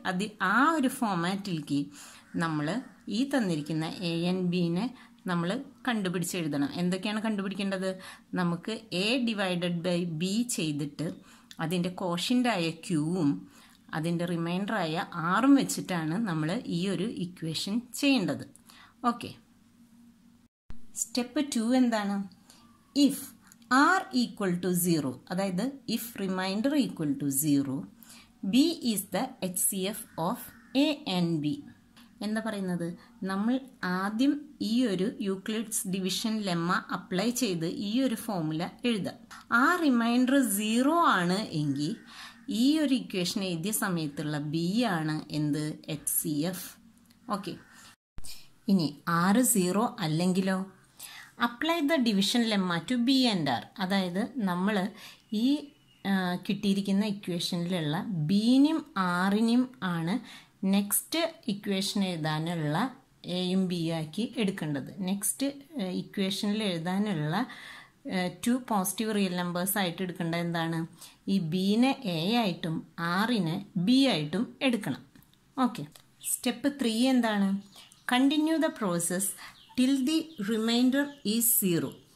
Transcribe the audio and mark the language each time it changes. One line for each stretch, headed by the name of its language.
Malayalam: അത് ആ ഒരു ഫോമാറ്റിലേക്ക് നമ്മൾ ഈ തന്നിരിക്കുന്ന എ ആൻഡ് ബിനെ നമ്മൾ കണ്ടുപിടിച്ച് എഴുതണം. എന്തൊക്കെയാണ് കണ്ടുപിടിക്കേണ്ടത്? നമുക്ക് എ ഡിവൈഡഡ് ബൈ ബി ചെയ്തിട്ട് അതിൻ്റെ കോഷ്യൻ്റായ ക്യൂവും അതിൻ്റെ റിമൈൻഡറായ ആറും വെച്ചിട്ടാണ് നമ്മൾ ഈ ഒരു ഇക്വേഷൻ ചെയ്യേണ്ടത്. ഓക്കെ, സ്റ്റെപ്പ് 2 എന്താണ്?
English: if R equal to 0,
Malayalam: അതായത്
English: if remainder equal to 0, B is the HCF of A and B.
Malayalam: എന്താ പറയുന്നത്? നമ്മൾ ആദ്യം ഈ ഒരു യൂക്ലിഡ്സ് ഡിവിഷൻ ലെമ്മ അപ്ലൈ ചെയ്ത് ഈ ഒരു ഫോർമുല എഴുതാം. ആ റിമൈൻഡർ 0 ആണ് എങ്കിൽ ഈ ഒരു ഇക്വേഷൻ എഴുതിയ സമയത്തുള്ള B ആണ് എന്ത്? HCF. ഓക്കെ, ഇനി R 0 അല്ലെങ്കിലോ?
English: Apply the division lemma to B and R.
Malayalam: അതായത് നമ്മൾ ഈ കിട്ടിയിരിക്കുന്ന ഇക്വേഷനിലുള്ള ബീനും ആറിനും ആണ് നെക്സ്റ്റ് ഇക്വേഷൻ എഴുതാനുള്ള എയും ബി ആക്കി എടുക്കേണ്ടത്. നെക്സ്റ്റ് ഇക്വേഷനിൽ എഴുതാനുള്ള ടു പോസിറ്റീവ് റിയൽ നമ്പേഴ്സ് ആയിട്ട് എടുക്കേണ്ടത് എന്താണ്? ഈ ബീനെ എ ആയിട്ടും ആറിനെ ബി ആയിട്ടും എടുക്കണം. ഓക്കെ, സ്റ്റെപ്പ് 3 എന്താണ്?
English: Continue the process till the remainder is 0.